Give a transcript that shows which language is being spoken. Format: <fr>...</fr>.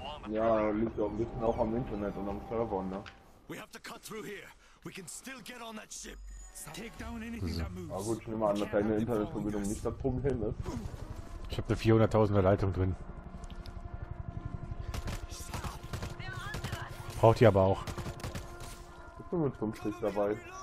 <de>Ja, liegt auch ein bisschen auch am Internet und am Server, ne?</de> <en>We have to cut through here. We can still get on that ship. Take down anything that moves.</en> <de>Na gut, ich nehme an, dass deine Internetverbindung nicht das Problem ist. Ich hab da 400.000er Leitung drin. Braucht ihr aber auch. Ich bin mit 5 dabei.</de>